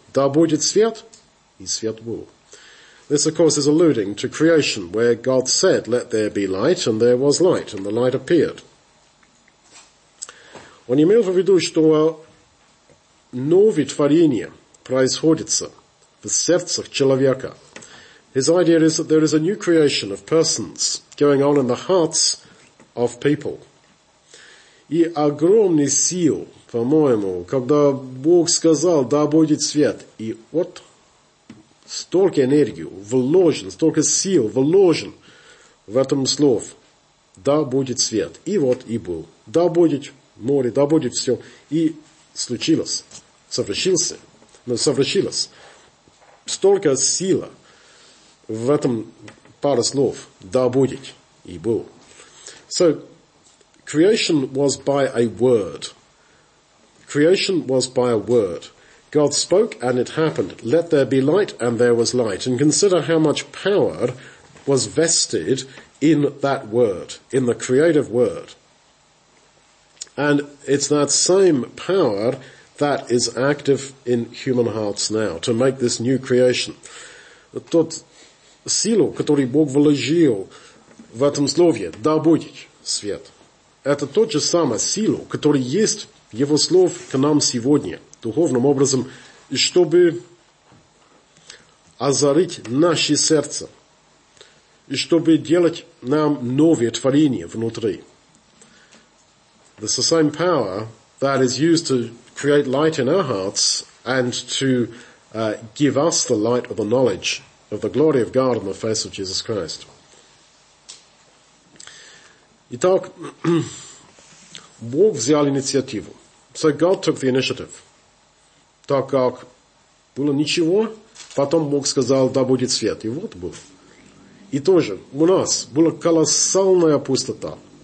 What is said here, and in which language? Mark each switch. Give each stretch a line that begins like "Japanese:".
Russian: Да будет свет, и свет был.
English: This, of course, is alluding to creation, where God said, let there be light, and there was light, and the light appeared.
Russian: Он имел в виду, что новое творение происходит в сердцах человека.
English: His idea is that there is a new creation of persons going on in the hearts of people.
Russian: И огромный сил, по-моему, когда Бог сказал, да будет свет, и вот столько энергии вложен, столько сил вложен в этом слове, да будет свет, и вот и был, да будет море, да будет все, и случилось, совершилось, столько силы в этом пару слов, да будет, и был.
English: So, creation was by a word. Creation was by a word. God spoke and it happened. Let there be light and there was light. And consider how much power was vested in that word, in the creative word. And it's that same power that is active in human hearts now to make this new creation.
Russian: Тот силу, который Бог вложил в этом слове, да будет свет. Это тот же самый силу, который есть Его слов к нам сегодня, духовным образом, чтобы озарить наши сердца, и чтобы делать нам новое творение внутри.
English: It's the same power that is used to create light in our hearts and to give us the light of the knowledge of the glory of God in the face of Jesus Christ.
Russian: Итак, Бог взял инициативу.
English: So God took the initiative.
Russian: Так как было ничего, потом Бог сказал, да будет свет. И вот был. И тоже у нас была колоссальная пустота.